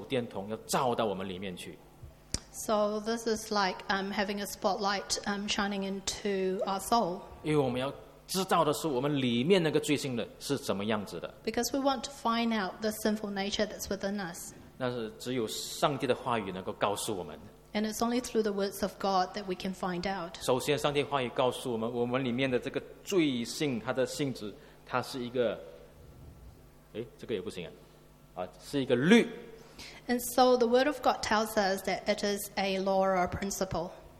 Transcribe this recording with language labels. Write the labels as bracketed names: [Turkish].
[Chinese] 我们现在在讲一个一个的时候，这个就好像我们拿一个的探照的灯，一个的手电筒要照到我们里面去。 [English] So this is like having a spotlight shining into our soul. [Chinese] 因为我们要知道的是我们里面那个罪性的是什么样子的。 [English] Because we want to find out the sinful nature that's within us. [Chinese] 那是只有上帝的话语能够告诉我们。 [English] And it's only through the words of God that we can find out. [Chinese] 首先上帝话语告诉我们，我们里面的这个罪性，它的性质，它是一个律。 [English] And so the word of God tells us that it is a law or a principle.